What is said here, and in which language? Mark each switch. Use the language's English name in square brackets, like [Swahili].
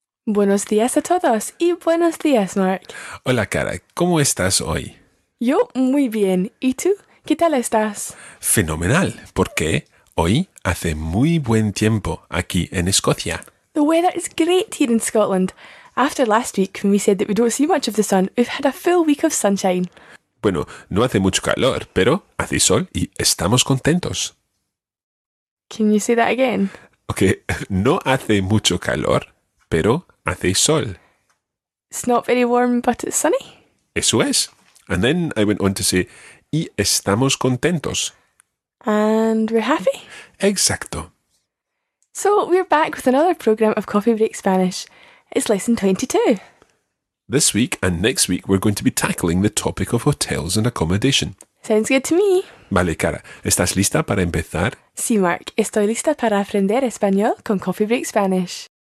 [Spanish] Buenos días a todos y buenos días, Mark. Hola, Cara. ¿Cómo estás hoy? Yo muy bien. ¿Y tú? ¿Qué tal estás? Fenomenal. ¿Por qué? Hoy hace muy buen tiempo aquí en Escocia. [English] The weather is great here in Scotland. After last week, when we said that we don't see much of the sun, we've had a full week of sunshine. [Spanish] Bueno, no hace mucho calor, pero hace sol y estamos contentos. [English] Can you say that again? [Spanish] Okay, no hace mucho calor, pero hace sol. [English] It's not very warm, but it's sunny. [Spanish] Eso es. [English] And then I went on to say, [Spanish] y estamos contentos. [English] And we're happy. [Spanish] Exacto. [English] So we're back with another programme of Coffee Break Spanish. It's lesson 22. This week and next week we're going to be tackling the topic of hotels and accommodation. Sounds good to me. [Spanish] Vale, Cara. ¿Estás lista para empezar? Sí, Mark. Estoy lista para aprender español con Coffee Break Spanish.